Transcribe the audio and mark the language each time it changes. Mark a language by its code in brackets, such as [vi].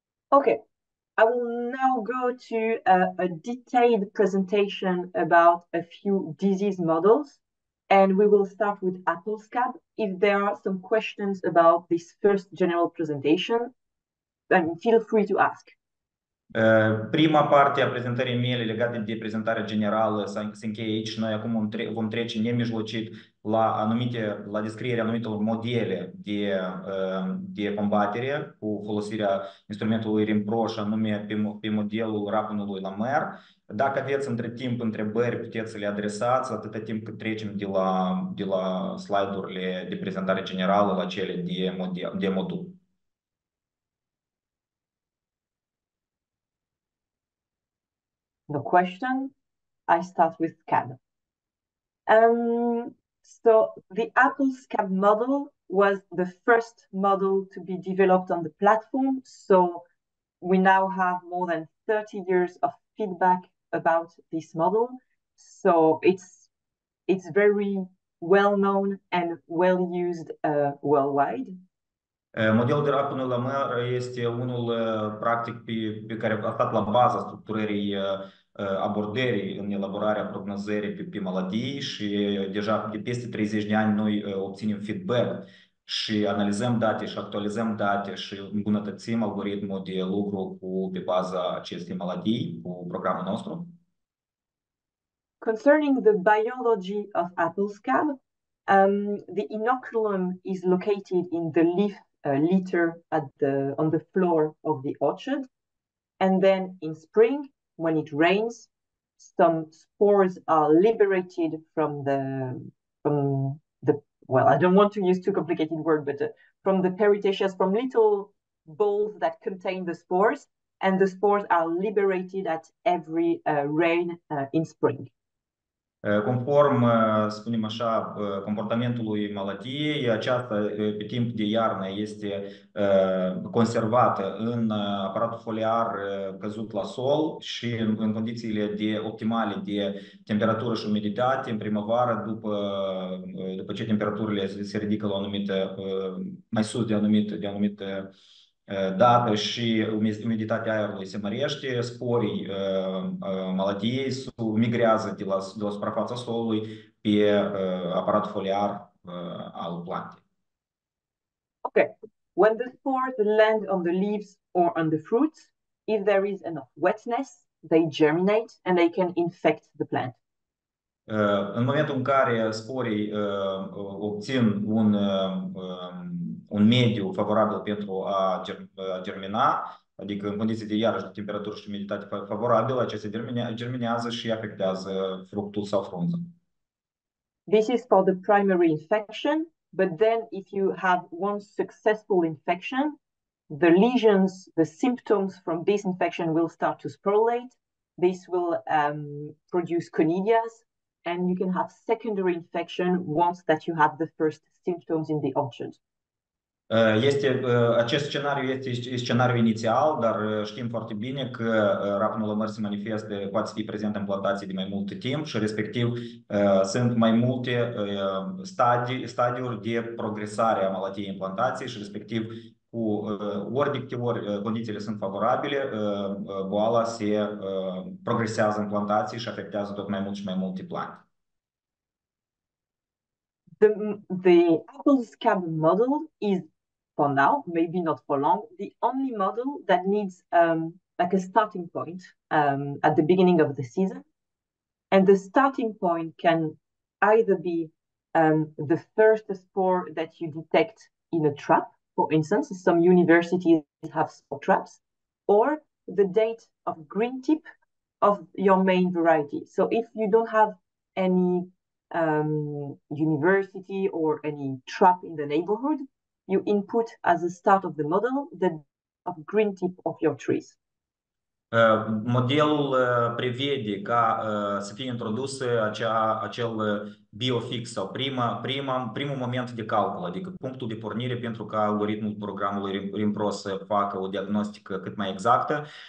[en] Okay, I will now go to a detailed presentation about a few disease models, and we will start with AppleScab. If there are some questions about this first general presentation, then feel free to ask. [ro] Prima parte a prezentării mele legată de prezentarea generală se încheie aici. Noi acum vom trece nemijlocit la descrierea anumitor modele de combatere cu folosirea instrumentului RIMPRO, și anume pe modelul rapunului la mer. Dacă aveți între timp întrebări, puteți să le adresați atâta timp cât trecem de la slide-urile de prezentare generală la cele de modul. [en] No question. I start with SCAB. So the Apple SCAB model was the first model to be developed on the platform. So we now have more than 30 years of feedback about this model. So it's very well known and well used worldwide. [ro] Modelul de rapun la mer este unul practic pe care a stat la baza structurării abordării în elaborarea prognozării pe maladii și deja de peste 30 de ani noi obținem feedback și analizăm date și actualizăm date și îmbunătățim algoritmul de lucru pe baza acestei maladii cu programul nostru. [en] Concerning the biology of AppleScab, the inoculum is located in the leaf litter on the floor of the orchard, and then in spring, when it rains, some spores are liberated from the well, I don't want to use too complicated word, but from the peritaceous, from little balls that contain the spores, and the spores are liberated at every rain in spring. [ro] Conform, spunem așa, comportamentului maladiei, aceasta pe timp de iarnă este conservată în aparatul foliar căzut la sol și în condițiile de optimale de temperatură și umiditate, în primăvară, după ce temperaturile se ridică la anumită, mai sus de anumită dată și umiditatea aerului se mărește, sporii maladiei migrează de la suprafața solului pe aparat foliar al plantei. [en] Okay. When the spores land on the leaves or on the fruits, if there is enough wetness, they germinate and they can infect the plant. [ro] În momentul în care sporii obțin un mediu favorabil pentru a germina, adică în condiții de iarăși de temperatură și umiditate favorabilă, acestea germinează și afectează fructul sau frunza. [en] This is for the primary infection, but then if you have one successful infection, the lesions, the symptoms from this infection will start to sporulate. This will produce conidias, and you can have secondary infection once that you have the first symptoms in the orchard. [ro] Este acest scenariu este scenariu inițial, dar știm foarte bine că rapnul măr se manifestă, poate fi prezent în plantații de mai mult timp și respectiv sunt mai multe stadiuri de progresare a malatiei în plantații și respectiv cu ori de câte ori condițiile sunt favorabile, boala se progresează în plantații și afectează tot mai mult și mai multe plante. [en] The apple scab model is, for now, maybe not for long, the only model that needs like a starting point at the beginning of the season. And the starting point can either be the first spore that you detect in a trap, for instance, some universities have spore traps, or the date of green tip of your main variety. So if you don't have any university or any trap in the neighborhood, you input as a start of the model the of green tip of your trees. [ro] Modelul prevede ca să fie introdus acel biofix sau primul moment de calcul, adică punctul de pornire pentru ca algoritmul programului RIMPRO să facă o diagnostică cât mai exactă.